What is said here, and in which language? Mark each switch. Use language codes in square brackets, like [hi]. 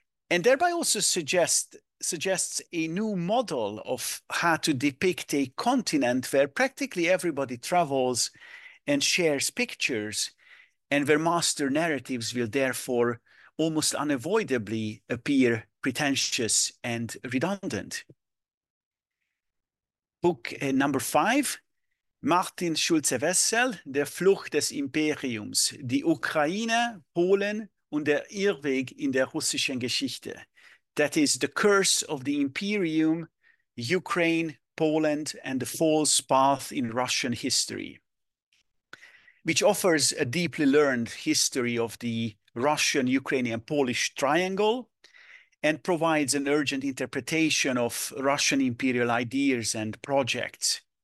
[en] and thereby also suggests a new model of how to depict a continent where practically everybody travels and shares pictures, and where master narratives will therefore almost unavoidably appear pretentious and redundant. Book number 5, [de] Martin Schulze-Wessel, Der Fluch des Imperiums, die Ukraine, Polen und der Irrweg in der russischen Geschichte. [en] That is The Curse of the Imperium, Ukraine, Poland, and the False Path in Russian History, which offers a deeply learned history of the Russian-Ukrainian-Polish triangle and provides an urgent interpretation of Russian imperial ideas and projects.